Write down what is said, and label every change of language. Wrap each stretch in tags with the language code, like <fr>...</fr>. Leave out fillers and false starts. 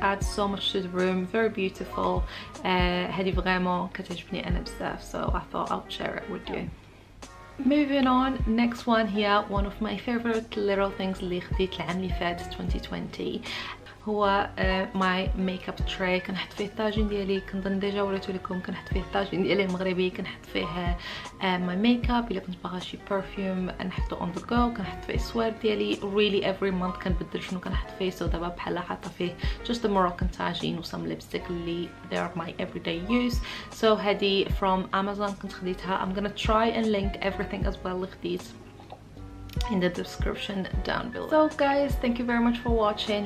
<en>Adds so much to the room, very beautiful.</en> <ar>هادي فريمون كتعجبني انا بزاف.</ar> <en>So I thought I'd share it with you. Moving on, next one here, one of my favorite little things</en> <ar>اللي خديت العام اللي فات</ar> <en>2020 هو my makeup tray.</en> <ar>كنحط فيه الطاجين ديالي, كنظن ديجا وريتو لكم, كنحط فيه الطاجين ديالي المغربي, كنحط فيه</ar> <en>my makeup</en> <ar>الا كنت باغا شي perfume نحطو</ar> <en>on the go,</en> <ar>كنحط فيه السوار ديالي.</ar> <en>really every month</en> <ar>كنبدل شنو كنحط فيه.</ar> <en>So</en> <ar>دابا بحال حاطه فيه</ar> <en>just the Moroccan tajin و some lipstick اللي they are my everyday use.</en> <ar>So هادي</ar> <en>from Amazon</en> <ar>كنت خديتها.</ar> <en>I'm gonna try and link everything as well like these in the description down below. So guys, thank you very much for watching.</en>